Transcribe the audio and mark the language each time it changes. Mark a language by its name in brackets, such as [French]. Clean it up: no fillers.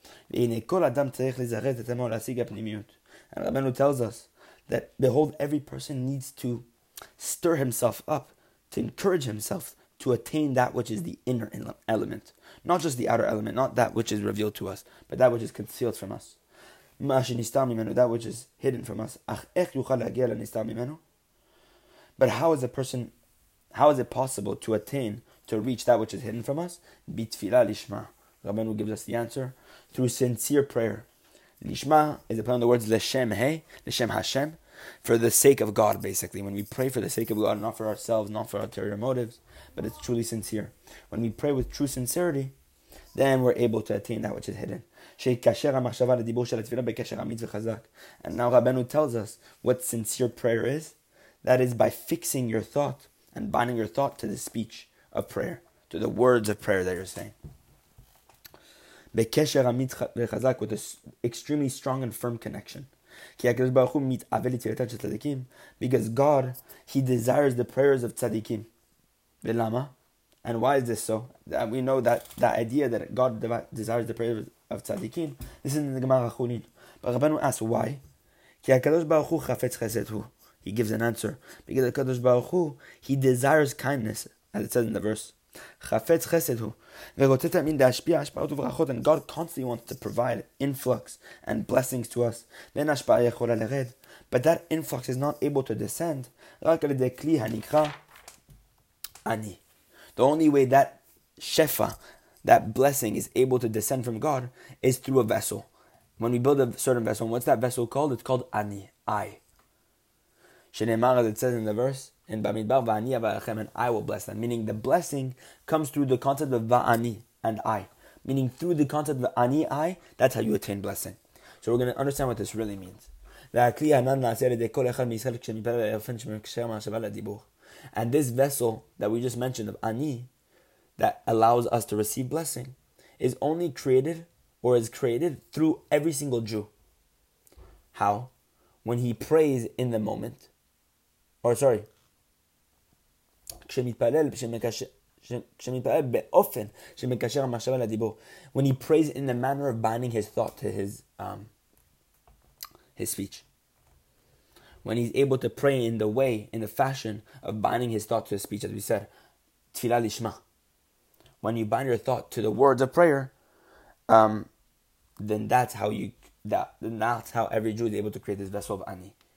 [Hebrew] V'hinei kol adam tzarech lizaret etemo lasig apnimiut. [English] And Rabbeinu tells us that, behold, every person needs to stir himself up, to encourage himself to attain that which is the inner element. Not just the outer element, not that which is revealed to us, but that which is concealed from us. [Hebrew] מה שנסתר ממנו, [English] that which is hidden from us. [Hebrew] אך איך יוכל להגיע לנסתר ממנו? [English] But how is a person, how is it possible to attain, to reach that which is hidden from us? [Hebrew] בתפילה לשמה. [English] Rabbeinu gives us the answer. Through sincere prayer. Lishma is upon the words Leshem Hey, Leshem Hashem, for the sake of God, basically. When we pray for the sake of God, not for ourselves, not for ulterior motives, but it's truly sincere. When we pray with true sincerity, then we're able to attain that which is hidden. And now Rabbeinu tells us what sincere prayer is. That is by fixing your thought and binding your thought to the speech of prayer, to the words of prayer that you're saying. [Hebrew] בקשר אמית וחזק, [English] with an extremely strong and firm connection. [Hebrew] כי הקדוש ברוך הוא מתאבל לתפילתם של צדיקים, [English] because God, He desires the prayers of צדיקים. [Hebrew] ולמה? [English] And why is this so? We know that the idea that God desires the prayers of צדיקים, this is in the Gemara Chulin. But Rabbeinu asks why? [Hebrew] כי הקדוש ברוך הוא חפץ חסד הוא. [English] He gives an answer. Because הקדוש ברוך הוא, He desires kindness, as it says in the verse. [Hebrew] חפץ חסד הוא. ורוצה תמיד להשפיע השפעות וברכות, [English] and God constantly wants to provide influx and blessings to us. [Hebrew] ואין השפעה יכולה לרד, [English] but that influx is not able to descend, [Hebrew] רק על ידי כלי הנקרא אני. [English] The only way that שפע, that blessing is able to descend from God, is through a vessel. When we build a certain vessel, what's that vessel called? It's called אני, I. שנאמר, as it says in the verse, and Bamidbar [Hebrew] va'ani avarachem, [English] and I will bless them. Meaning the blessing comes through the concept of va'ani and I. Meaning through the concept of ani I, that's how you attain blessing. So we're going to understand what this really means. And this vessel that we just mentioned of ani, that allows us to receive blessing, is only created or is created through every single Jew. How? When he prays in the moment, [Hebrew] כשמתפלל, כשמתפלל באופן שמקשר המחשבה לדיבור. [English] When he prays in the manner of binding his thought to his speech. When he's able to pray in the way, in the fashion of binding his thought to his speech, as we said, [Hebrew] תפילה לשמה. [English] When you bind your thought to the words of prayer, then that's how every Jew is able to create this vessel of Ani.